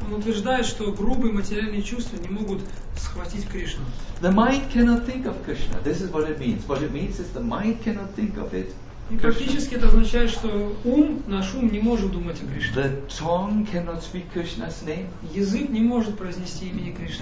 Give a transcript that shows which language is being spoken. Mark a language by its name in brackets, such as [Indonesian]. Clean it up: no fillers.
[Russian] Он утверждает, что грубые материальные чувства не могут схватить Кришну. [English] The mind cannot think of Krishna. This is what it means. What it means is the mind cannot think of it. [Russian] И практически это означает, что ум, наш ум не может думать о Кришне. [English] The tongue cannot speak Krishna's name. [Russian] Язык не может произнести имени Кришны.